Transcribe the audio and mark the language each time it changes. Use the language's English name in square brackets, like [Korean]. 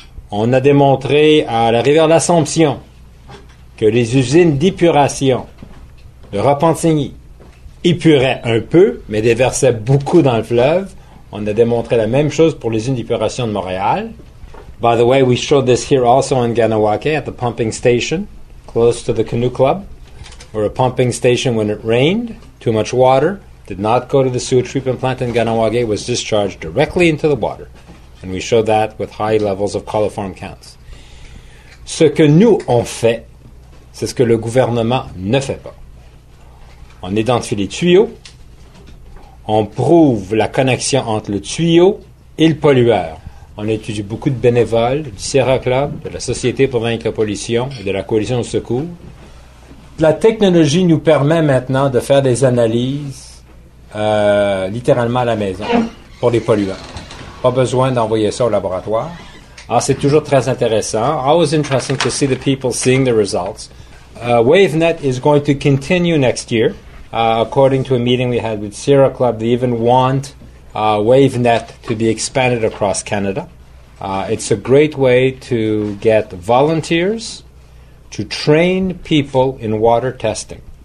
[French] On a démontré à la rivière de l'Assomption que les usines d'épuration de Repentigny épuraient un peu, mais déversaient beaucoup dans le fleuve. On a démontré la même chose pour les usines d'épuration de Montréal. [English] By the way, we showed this here also in Ganawake at the pumping station close to the canoe club, where a pumping station, when it rained, too much water did not go to the sewage treatment plant in Ganawake, was discharged directly into the water. And we show that with high levels of coliform counts. [French] Ce que nous on fait, c'est ce que le gouvernement ne fait pas. On identifie les tuyaux, on prouve la connexion entre le tuyau et le pollueur. On étudie beaucoup de bénévoles du Sierra Club, de la Société pour vaincre la pollution et de la Coalition de secours. La technologie nous permet maintenant de faire des analyses littéralement à la maison pour les pollueurs. Pas besoin d'envoyer ça au laboratoire. Ah, c'est toujours très intéressant. [English] Always interesting to see the people seeing the results. WaveNet is going to continue next year. According to a meeting we had with Sierra Club, they even want WaveNet to be expanded across Canada. It's a great way to get volunteers to train people in water testing.